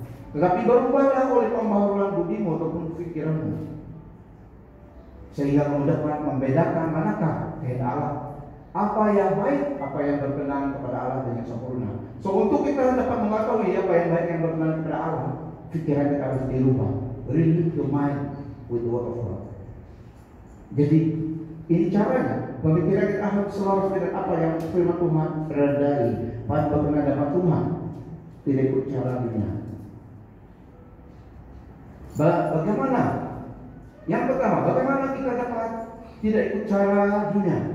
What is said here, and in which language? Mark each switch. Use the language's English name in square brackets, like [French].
[Indonesian] Tetapi berubahlah oleh pembaharuan budimu ataupun pikiranmu, sehingga kamu dapat membedakan manakah kehendak Allah, apa yang baik, apa yang berkenan kepada Allah dan yang sempurna. So, untuk kita dapat mengetahui apa yang baik yang berkenan kepada Allah, pikiran kita harus dirubah. [English] Renew your mind with the word of God. [Indonesian] Jadi ini caranya, pemikiran kita harus selalu dengan apa yang firman Tuhan redai, pada bagaimana dapat Tuhan, tidak ikut cara dunia. Bagaimana? Yang pertama, bagaimana kita dapat tidak ikut cara dunia?